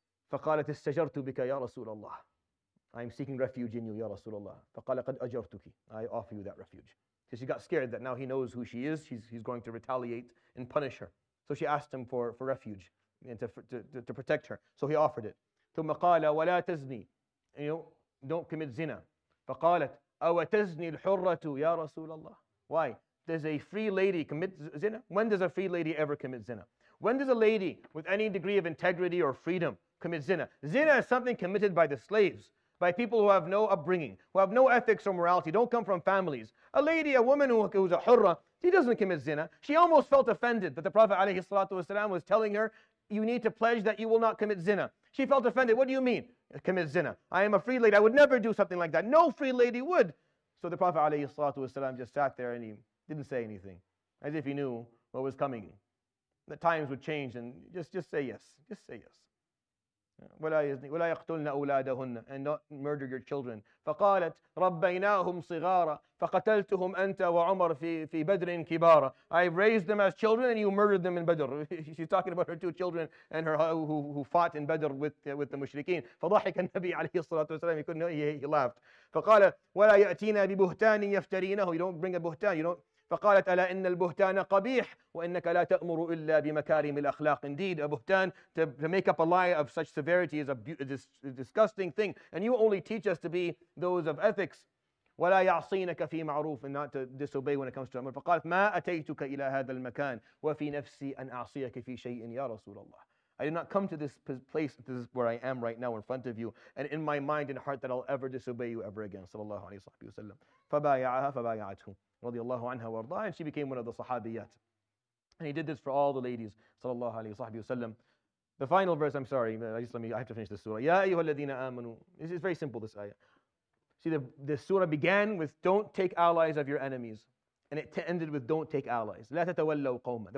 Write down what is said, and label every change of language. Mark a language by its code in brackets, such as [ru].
[ar] فَقَالَتِ اسْتَجَرْتُ بِكَ يَا رَسُولَ اللَّهِ. [en] I'm seeking refuge in you, ya Rasulullah. [ar] فَقَالَ قَدْ أَجَرْتُكِ. [en] I offer you that refuge. Because she got scared that now he knows who she is, he's going to retaliate and punish her. So she asked him for refuge and to protect her. So he offered it. [ar] ثم قال ولا تزني. [en] Don't commit zina. [ar] فقالت أو تزني الحرة يا رسول الله. [en] Why? Does a free lady commit zina? When does a free lady ever commit zina? When does a lady with any degree of integrity or freedom commit zina? Zina is something committed by the slaves, by people who have no upbringing, who have no ethics or morality, don't come from families. A lady, a woman who's a hurra, she doesn't commit zina. She almost felt offended that the Prophet ﷺ was telling her, you need to pledge that you will not commit zina. She felt offended. What do you mean, commit zina? I am a free lady. I would never do something like that. No free lady would. So the Prophet ﷺ just sat there and he didn't say anything, as if he knew what was coming. the times would change, and just say yes. Just say yes. [ar] ولا يقتلن أولادهن, [en] and not murder your children. [ar] فقالت ربيناهم صغارا فقتلتهم أنت وعمر في بدر كبارا. [en] I've raised them as children and you murdered them in Badr. She's talking about her two children and her who fought in Badr with the مشركين. [ar] فضحك النبي عليه الصلاة والسلام, [en] he laughed. [ar] فقال ولا يأتينا ببهتان يفترينه. [en] You don't bring a بهتان, you don't. [ar] فقالت ألا إن البهتان قبيح وإنك لا تأمر إلا بمكارم الأخلاق. [en] Indeed, a buhtan, to make up a lie of such severity is a disgusting thing, and you only teach us to be those of ethics. [ar] ولا يعصينك في معروف, [en] and not to disobey when it comes to أمر. [ar] فقالت ما أتيتك إلى هذا المكان وفي نفسي أن أعصيك في شيء يا رسول الله. [en] I did not come to this place, this is where I am right now in front of you, and in my mind and heart that I'll ever disobey you ever again. [ar] صلى الله عليه وسلم. فبايعها فبايعته رضي الله عنها وارضاها, [en] and she became one of the صحابيات. And he did this for all the ladies, [ar] صلى الله عليه وسلم. [en] The final verse, I'm sorry, I have to finish this surah. [ar] يا أيها الذين آمنوا. [en] This is very simple, this ayah. See, the surah began with don't take allies of your enemies, and it ended with don't take allies. [ar] لا تتولوا قوما.